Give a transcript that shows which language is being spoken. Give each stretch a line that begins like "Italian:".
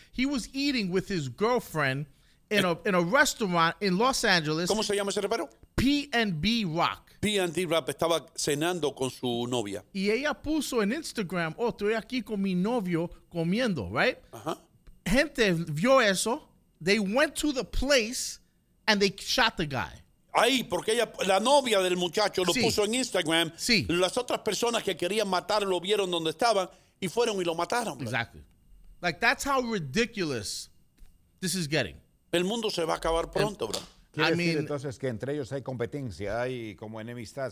English: He was eating with his girlfriend in a restaurant in Los Angeles.
Spanish: ¿Cómo se llama ese rapero? PNB Rock. P&D Rap estaba cenando con su novia. Y ella puso en Instagram, estoy aquí con mi novio comiendo,
English: right? Uh-huh.
Spanish: Gente vio eso.
English: They went to the place and they shot the guy.
Spanish: Ahí, porque ella, la novia del muchacho lo sí. puso en Instagram. Sí. Las otras personas que querían matarlo vieron donde estaban y fueron y lo mataron.
English: Exactly. Like, that's how ridiculous this is getting.
Spanish: El mundo se va a acabar pronto, bro. Quiere decir, entonces, que entre ellos hay competencia, hay como enemistad.